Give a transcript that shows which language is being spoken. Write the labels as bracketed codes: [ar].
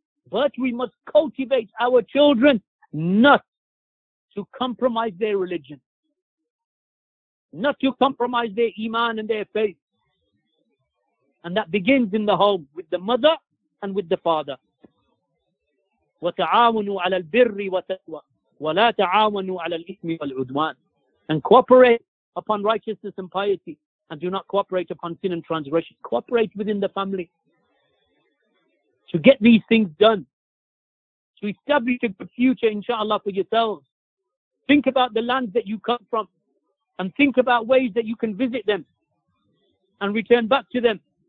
[en] But we must cultivate our children not to compromise their religion. Not to compromise their iman and their faith. And that begins in the home with the mother and with the father. [ar] وَتَعَاوَنُوا عَلَى الْبِرِّ وَتَقْوَى وَلَا تَعَاوَنُوا عَلَى الْإِثْمِ وَالْعُدْوَانِ [en] And cooperate upon righteousness and piety and do not cooperate upon sin and transgression. Cooperate within the family to get these things done, to establish a good future, inshallah, for yourselves. Think about the land that you come from and think about ways that you can visit them and return back to them.